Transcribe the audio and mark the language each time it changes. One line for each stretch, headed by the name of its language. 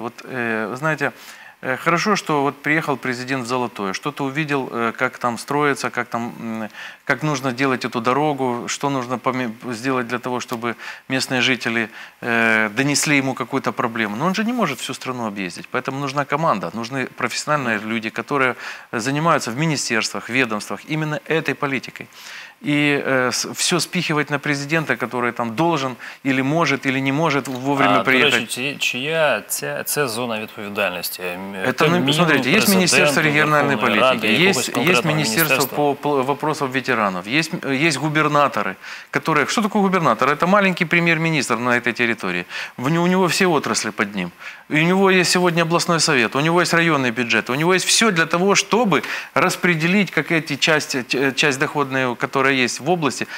Russian: Вот, знаете, хорошо, что вот приехал президент в Золотое, что-то увидел, как там строится, как нужно делать эту дорогу, что нужно сделать для того, чтобы местные жители донесли ему какую-то проблему. Но он же не может всю страну объездить, поэтому нужна команда, нужны профессиональные люди, которые занимаются в министерствах, ведомствах именно этой политикой. И все спихивать на президента, который там должен или может, или не может вовремя приехать.
Ukrainian: Речі, чия це зона відповідальності?
Russian: Это, ну, смотрите, есть Министерство региональной политики, есть Министерство по вопросам ветеранов, есть губернаторы, которые... Что такое губернатор? Это маленький премьер-министр на этой территории. У него все отрасли под ним. И у него есть сегодня областной совет, у него есть районный бюджет, у него есть все для того, чтобы распределить, как эти часть доходной, которая есть в области.